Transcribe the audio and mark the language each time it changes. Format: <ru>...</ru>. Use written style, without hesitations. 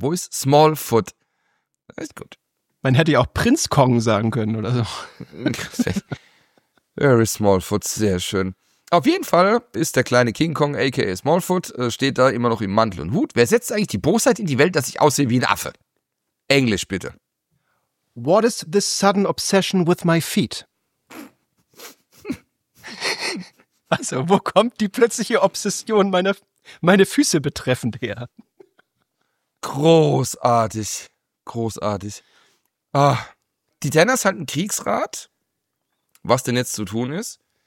<de>Wo ist Smallfoot? Das ist gut. Man hätte ja auch Prinz Kong sagen können oder so. Very Smallfoot, sehr schön. Auf jeden Fall ist der kleine King Kong, a.k.a. Smallfoot, steht da immer noch im Mantel und Hut. Wer setzt eigentlich die Bosheit in die Welt, dass ich aussehe wie ein Affe? Englisch bitte.</de> <en>What is this sudden obsession with my feet?</en> <de>Also, wo kommt die plötzliche Obsession meine Füße betreffend her? Großartig. Großartig. Ah, die Tanners halten Kriegsrat, was denn jetzt zu tun ist.</de>